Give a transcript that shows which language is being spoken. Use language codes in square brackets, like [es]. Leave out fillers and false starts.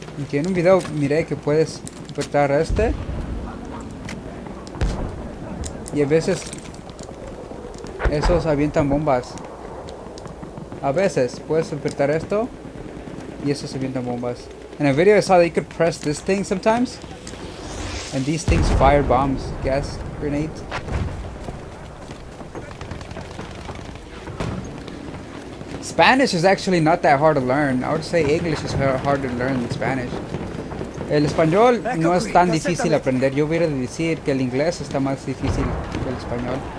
[es] Que en un video miré que puedes apretar este y a veces esos avientan bombas. A veces puedes apretar esto y esos avientan bombas. En el video [en] I saw that you could press this thing sometimes and these things fire bombs, gas grenades. Spanish is actually not that hard to learn. I would say English is hard to learn than Spanish. [es] El español no es tan difícil aprender. Yo hubiera de decir que el inglés está más difícil que el español.